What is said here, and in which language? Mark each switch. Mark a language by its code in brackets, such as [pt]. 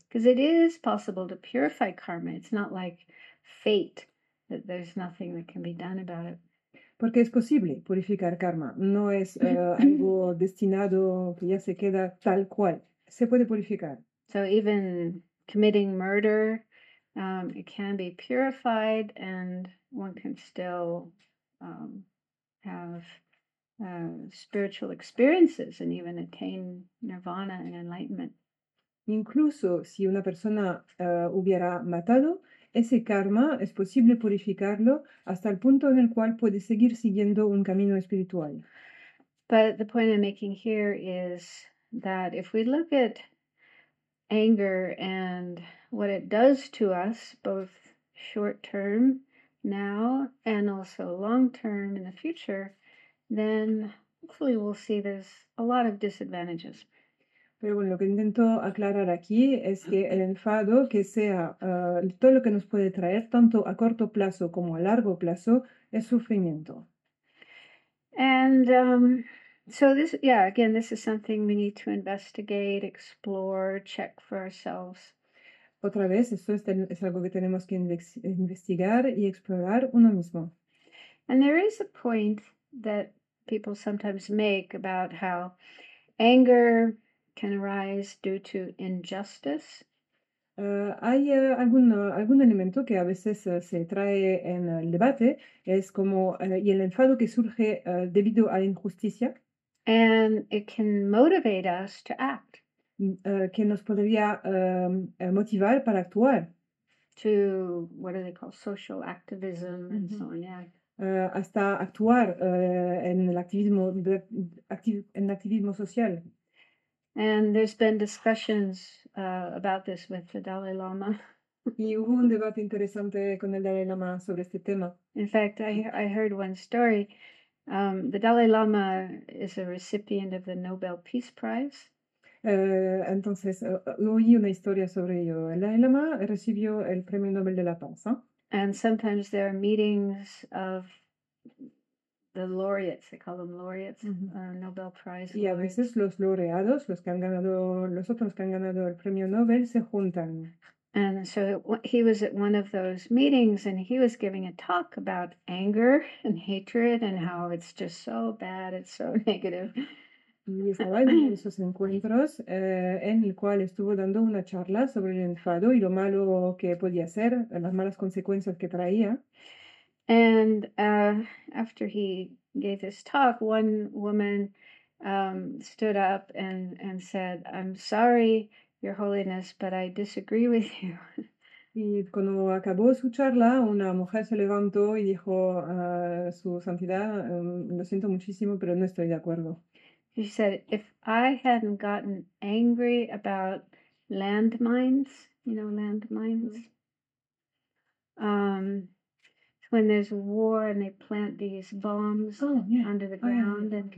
[en] Because it is possible to purify karma. It's not like fate, that there's nothing that can be done about [es] Porque es posible purificar karma, no es [en] it. [es] algo destinado que ya se queda tal cual. Se puede purificar. [en] So even committing murder, it can be purified and one can still have spiritual experiences and even attain nirvana and enlightenment. [es] Incluso si una persona hubiera matado, ese karma es posible purificarlo hasta el punto en el cual puede seguir siguiendo un camino espiritual. [en] But the point I'm making here is that if we look at anger and what it does to us, both short term now and also long term in the future, then hopefully we'll see there's a lot of disadvantages. [es] Pero bueno, lo que intento aclarar aquí es que el enfado, que sea todo lo que nos puede traer, tanto a corto plazo como a largo plazo, es sufrimiento. [en] And so this, yeah, again, this is something we need to investigate, explore, check for ourselves. [es] Otra vez, esto es algo que tenemos que investigar y explorar uno mismo. [en] And there is a point that people sometimes make about how anger can arise due to injustice. [es] Hay algún elemento que a veces se trae en el debate, es como y el enfado que surge debido a la injusticia. [en] And it can motivate us to act. [es] Que nos podría motivar para actuar. [en] To what do they call social activism and so on, yeah. [es] Hasta actuar en el activismo, en el activismo social. [en] And there's been discussions about this with the Dalai Lama. [es] Y hubo un debate interesante con el Dalai Lama sobre este tema. [en] In fact, I heard one story. The Dalai Lama is a recipient of the Nobel Peace Prize. [es] Entonces, oí una historia sobre ello. El Dalai Lama recibió el Premio Nobel de la Paz. ¿Eh? [en] And sometimes there are meetings of the laureates, they call them laureates, Nobel Prize [es] laureates. Y a veces los laureados, los que han ganado, los otros que han ganado el premio Nobel, se juntan. [en] And so he was at one of those meetings and he was giving a talk about anger and hatred and how it's just so bad, it's so negative. [es] Y estaba en uno de esos encuentros en el cual estuvo dando una charla sobre el enfado y lo malo que podía ser, las malas consecuencias que traía. [en] And after he gave this talk, one woman stood up and said, "I'm sorry, Your Holiness, but I disagree with you." [es] Y cuando acabó su charla, una mujer se levantó y dijo a su santidad, "Lo siento muchísimo, pero no estoy de acuerdo." [en] She said, "If I hadn't gotten angry about landmines, you know, landmines, when there's war and they plant these bombs under the ground